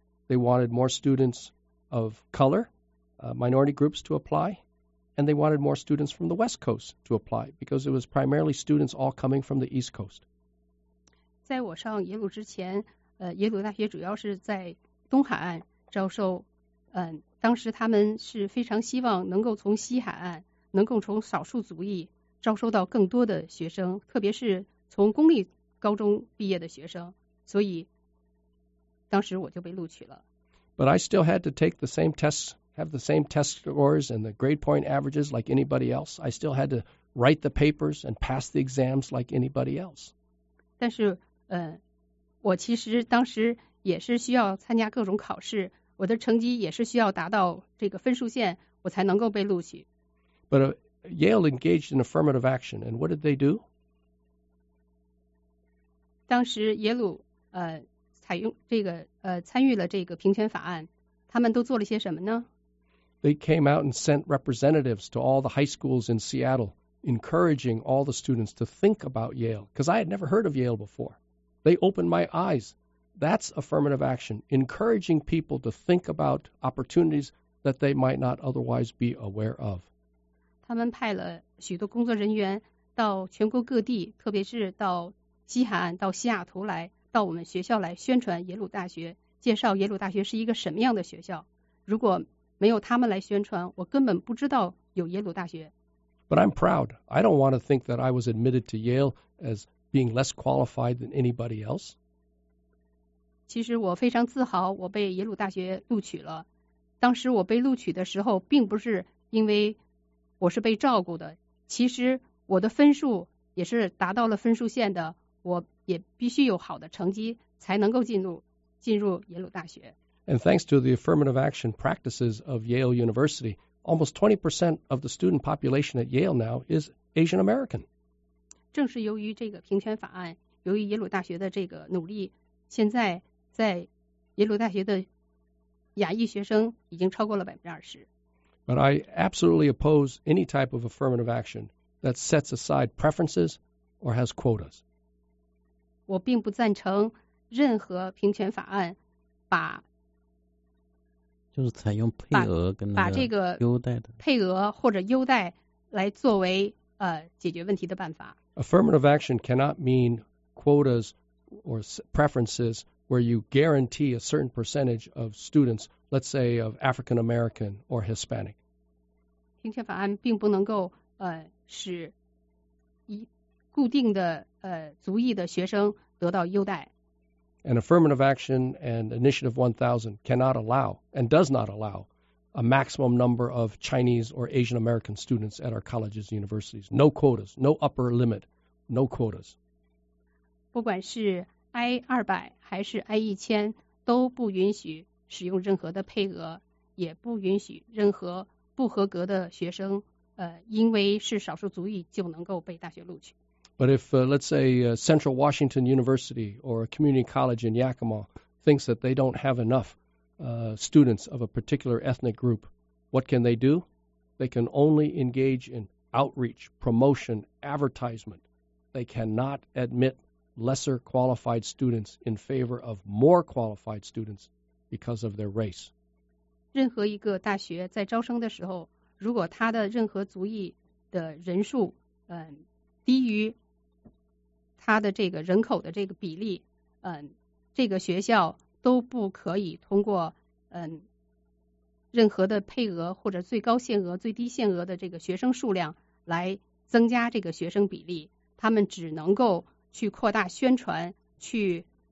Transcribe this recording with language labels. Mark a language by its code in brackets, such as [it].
[en] They wanted more students of color, minority groups to apply, and they wanted more students from the West Coast to apply because it was primarily students all coming from the East Coast. [zh] 在我上耶鲁之前，耶鲁大学主要是在东海岸招收，当时他们是非常希望能够从西海岸，能够从少数族裔招收到更多的学生，特别是从公立高中毕业的学生，所以当时我就被录取了。 [en] But I still had to take the same tests, have the same test scores and the grade point averages like anybody else. I still had to write the papers and pass the exams like anybody else. [zh] 但是，我其实当时也是需要参加各种考试，我的成绩也是需要达到这个分数线，我才能够被录取。 [en] But Yale engaged in affirmative action, and what did they do? [zh] 当时耶鲁采用这个参与了这个平权法案，他们都做了些什么呢？ [en] They came out and sent representatives to all the high schools in Seattle, encouraging all the students to think about Yale, because I had never heard of Yale before. They opened my eyes. That's affirmative action, encouraging people to think about opportunities that they might not otherwise be aware of. [zh] 他们派了许多工作人员到全国各地，特别是到西海岸，到西雅图来，到我们学校来宣传耶鲁大学，介绍耶鲁大学是一个什么样的学校。如果没有他们来宣传，我根本不知道有耶鲁大学。 [en] But I'm proud. I don't want to think that I was admitted to Yale as being less qualified than anybody else. [zh] 其实我非常自豪，我被耶鲁大学录取了。当时我被录取的时候，并不是因为我是被照顾的，其实我的分数也是达到了分数线的，我也必须有好的成绩才能够进入耶鲁大学。 [en] And thanks to the affirmative action practices of Yale University, almost 20% of the student population at Yale now is Asian American. [zh] 正是由于这个平权法案，由于耶鲁大学的这个努力，现在在耶鲁大学的亚裔学生已经超过了20%。 [en] But I absolutely oppose any type of affirmative action that sets aside preferences or has quotas. [zh] 我并不赞成任何平权法案把就是采用配额跟那个把这个优待的配额或者优待来作为解决问题的办法。 [en] Affirmative action cannot mean quotas or preferences where you guarantee a certain percentage of students. Let's say of African American or Hispanic. [zh] 平权法案并不能够使一固定的族裔的学生得到优待。 [en] And affirmative action and Initiative 1000 cannot allow and does not allow a maximum number of Chinese or Asian American students at our colleges, universities. No quotas, no upper limit, no quotas. [zh] 不管是 I-200 还是 I-1000 都不允许。使用任何的配额，也不允许任何不合格的学生，因为是少数族裔就能够被大学录取。 [en] But if, let's say, Central Washington University or a community college in Yakima thinks that they don't have enough students of a particular ethnic group, what can they do? They can only engage in outreach, promotion, advertisement. They cannot admit lesser qualified students in favor of more qualified students because of their race. [zh] 任何一个大学在招生的时候，如果他的任何族裔的人数低于他的这个人口的这个比例，这个学校都不可以通过任何的配额或者最高限额、最低限额的这个学生数量来增加这个学生比例，他们只能够去扩大宣传，去